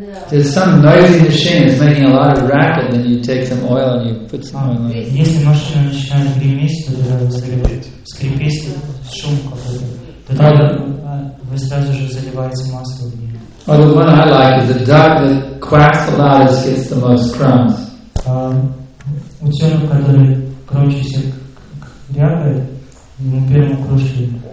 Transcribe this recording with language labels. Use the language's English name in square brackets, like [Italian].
[English] There's some noisy machine that's making a lot of racket, then you take some oil and you put some oil on it. [Russian] Если машина начинает греметь, то скрипеть шум какой-то. Вы сразу же заливаете масло в нее. [English] Oh, the one I like is the duck that quacks the loudest gets the most crumbs. [Russian] Утенок, который громче всех крякает, ему первому крошке.